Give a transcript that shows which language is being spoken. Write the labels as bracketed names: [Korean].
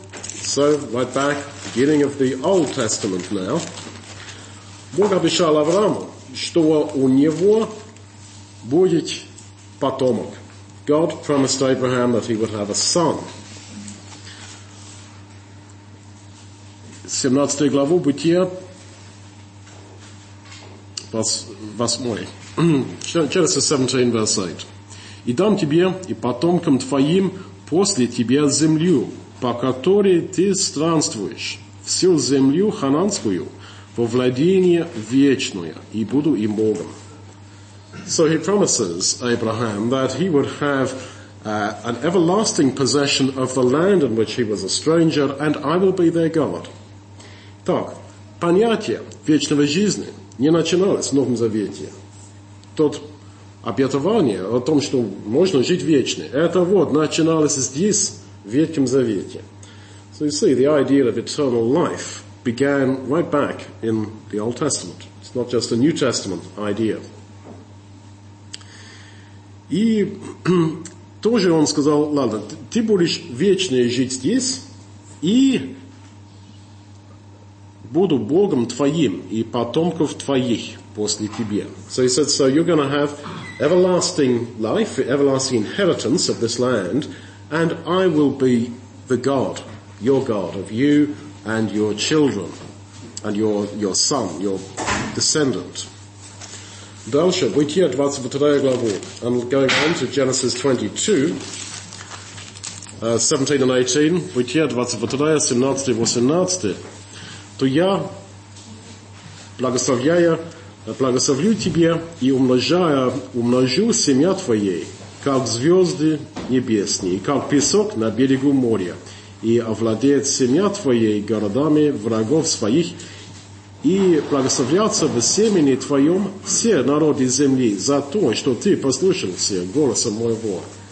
[English] So, right back, beginning of the Old Testament now. [Russian] Бог обещал Аврааму, что у него будет потомок. [English] God promised Abraham that he would have a son. [Russian] 17 главу Бытия, 8. [English] Genesis 17, verse 8. [Russian] «И дам тебе и потомкам твоим после тебя землю, по которой ты странствуешь, всю землю хананскую, во владение вечное, и буду им Богом». [English] So he promises Abraham that he would have an everlasting possession of the land in which he was a stranger, and I will be their God. [Russian] Так, понятие вечного жизни не начиналось в Новом Завете. Тот обетование о том, что можно жить вечно, это вот начиналось здесь, в Ветхом Завете. [English] So you see, the idea of eternal life began right back in the Old Testament. It's not just a New Testament idea. [Russian] И тоже он сказал, ладно, ты будешь вечно жить здесь, и буду Богом твоим и потомков твоих после тебя. [English] So he said, so you're going to have everlasting life, everlasting inheritance of this land, and I will be the God, your God, of you and your children, and your son, your descendant. [Russian] Дальше, Бытие, 22 главу, [English] and going on to Genesis 22, 17 and 18, [Russian] Бытие, 22, 17-18, то я благословляю, благословлю тебя и умножу семя твое, как звезды небесные, как песок на берегу моря, и овладеет семя твое городами врагов своих, и благословляться в семени твоем все народы земли за то, что ты послушался голоса моего.